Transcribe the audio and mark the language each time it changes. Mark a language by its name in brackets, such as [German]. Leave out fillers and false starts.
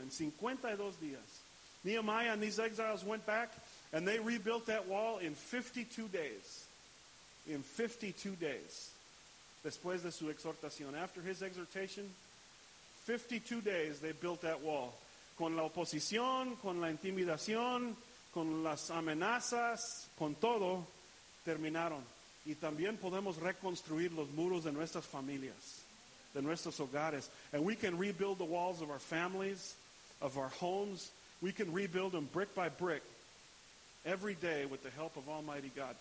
[Spanish] En 52 días. [English] Nehemiah and these exiles went back and they rebuilt that wall in 52 days. In 52 days. [Spanish] Después de su exhortación. [English] After his exhortation, 52 days they built that wall. [Spanish] Con la oposición, con la intimidación, con las amenazas, con todo, terminaron. Y también podemos reconstruir los muros de nuestras familias, de nuestros hogares. [English] And we can rebuild the walls of our families, of our homes. We can rebuild them brick by brick, every day with the help of Almighty God.